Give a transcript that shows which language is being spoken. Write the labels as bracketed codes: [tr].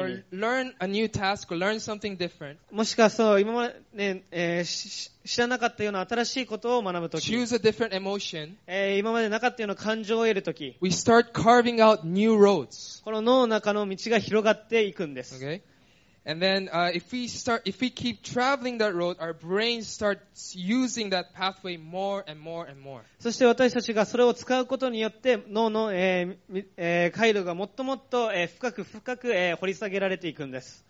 [en] or learn a new task or learn something different. [ja] もしくはそう今まで、知らなかったような新しいことを学ぶとき、 [en] choose a different emotion. [ja] 今までなかったような感情を得るとき、 [en] we start carving out new roads. [ja] この脳の中の道が広がっていくんです。 [en] Okay. And then if we keep traveling that road, our brain starts using that pathway more and more and more. [ja] そして私たちがそれを使うことによって、脳の回路がもっともっと深く深く掘り下げられていくんです。